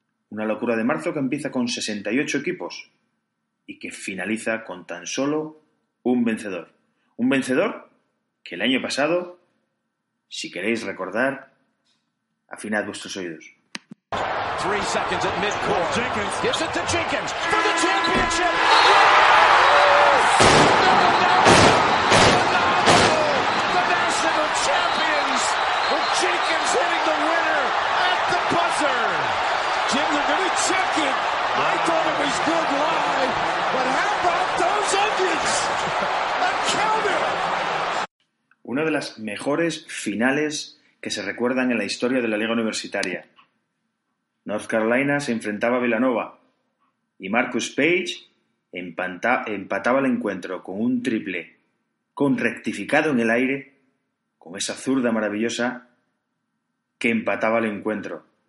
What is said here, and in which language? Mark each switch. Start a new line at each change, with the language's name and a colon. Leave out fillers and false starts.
Spanish: Una locura de marzo que empieza con 68 equipos y que finaliza con tan solo un vencedor. Un vencedor que el año pasado, si queréis recordar, afinad vuestros oídos.
English: 3 seconds at midcourt. Jenkins gives it to Jenkins for the championship. The national champions with Jenkins hitting the winner at the buzzer. Jim, they're going to check it. I thought it was good live, but how about those onions? A counter.
Spanish: Una de las mejores finales que se recuerdan en la historia de la Liga Universitaria. North Carolina se enfrentaba a Villanova y Marcus Page empataba el encuentro con un triple con rectificado en el aire, con esa zurda maravillosa que empataba el encuentro.